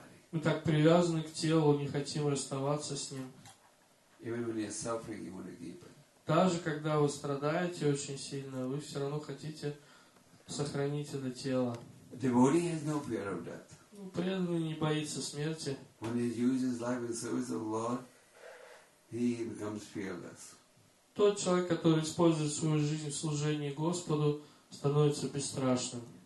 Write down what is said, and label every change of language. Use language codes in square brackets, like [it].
[ru] Мы так привязаны к телу, не хотим расставаться с ним. [en] Even when you're suffering, you want to keep it. [ru] Даже когда вы страдаете очень сильно, вы все равно хотите сохранить это тело. [en] Devotee has no fear of death. [ru] Преданный не боится смерти. [en] When he uses life in service of the Lord, he becomes fearless. [ru] Тот человек, который использует свою жизнь в служении Господу, становится бесстрашным.